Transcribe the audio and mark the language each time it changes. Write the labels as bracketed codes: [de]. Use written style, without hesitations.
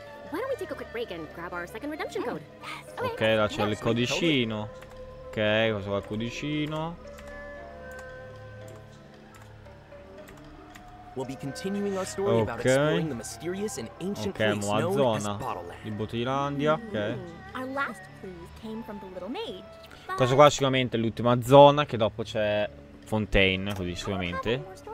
[en] Why don't we take a quick break and grab our second redemption code? [it] Yes. Okay, là c'è il codicino. Ok, questo qua è il codicino. [en] We'll be continuing our story about exploring the mysterious and ancient place known as Bottleland. [it] In Bottilandia, ok. [en] Our last clues came from the little maid. [it] Questo qua è sicuramente l'ultima zona, che dopo c'è Fontaine, così sicuramente.